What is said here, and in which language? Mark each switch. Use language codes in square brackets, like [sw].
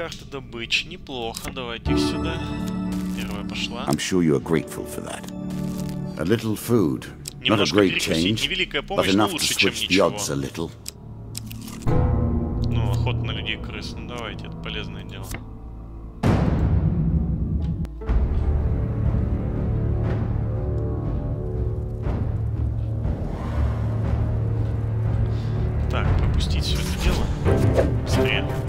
[ru] Добыч, неплохо, давайте их сюда. Первая пошла. [en] I'm sure you are grateful for that. A little food, not a great change, but enough to switch the odds a little. [ru] Ну, охота на людей крыс, ну давайте, это полезное дело. Так, пропустить все это дело. Быстрее.